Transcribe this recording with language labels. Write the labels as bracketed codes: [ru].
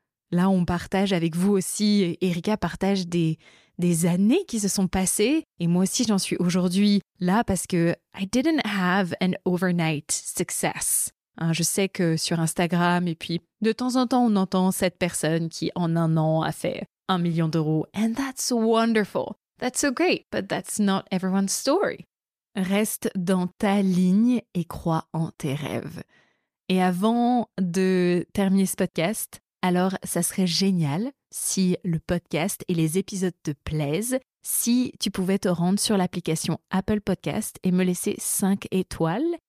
[fr] Là, on partage avec vous aussi, Erika partage des années qui se sont passées, et moi aussi j'en suis aujourd'hui là parce que [en] I didn't have an overnight success. [fr] Hein, je sais que sur Instagram, et puis de temps en temps, on entend cette personne qui en un an a fait 1 million d'euros. [en] And that's wonderful. That's so great, but that's not everyone's story. [fr] Reste dans ta ligne et crois en tes rêves. Et avant de terminer ce podcast, alors ça serait génial si le podcast et les épisodes te plaisent, si tu pouvais te rendre sur l'application Apple Podcast et me laisser 5 étoiles.